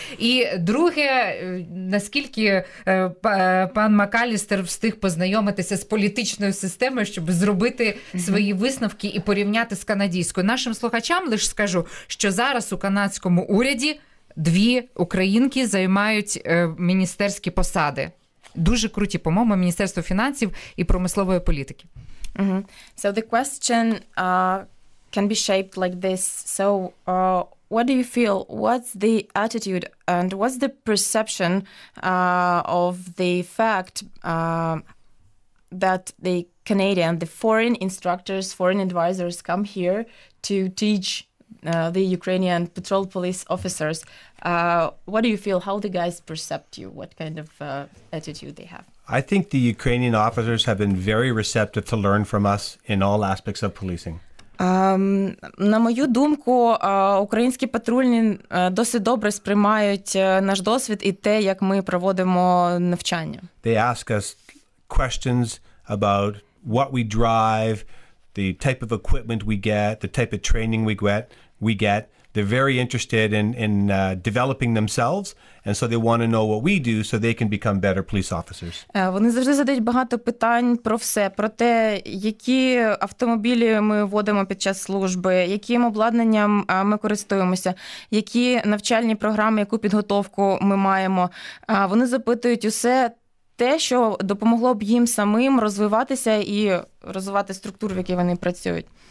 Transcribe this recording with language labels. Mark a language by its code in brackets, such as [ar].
[uk] І друге, наскільки пан МакАлістер встиг познайомитися з політичною системою, щоб зробити свої висновки і порівняти з канадською? Нашим слухачам лише скажу, що зараз у канадському уряді 2 українки займають міністерські посади. Дуже круті, по-моєму, Міністерство фінансів і промислової політики. Mm-hmm. [en] So the question can be shaped like this. So what do you feel? What's the attitude and what's the perception of the fact that the Canadian, the foreign instructors, foreign advisors come here to teach the Ukrainian patrol police officers? What do you feel? How the guys perceive you? What kind of attitude they have? I think the Ukrainian officers have been very receptive to learn from us in all aspects of policing. [uk] На мою думку, українські патрульні досить добре сприймають наш досвід і те, як ми проводимо навчання. [en] They ask us questions about what we drive, the type of equipment we get, the type of training we get. They're very interested in developing themselves, and so they want to know what we do so they can become better police officers. [uk] Вони завжди задають багато питань про все, про те, які автомобілі ми водимо під час служби, яким обладнанням ми користуємося, які навчальні програми, яку підготовку ми маємо. Вони запитують усе те, що допомогло б їм самим розвиватися і розвивати структуру, в якій вони працюють.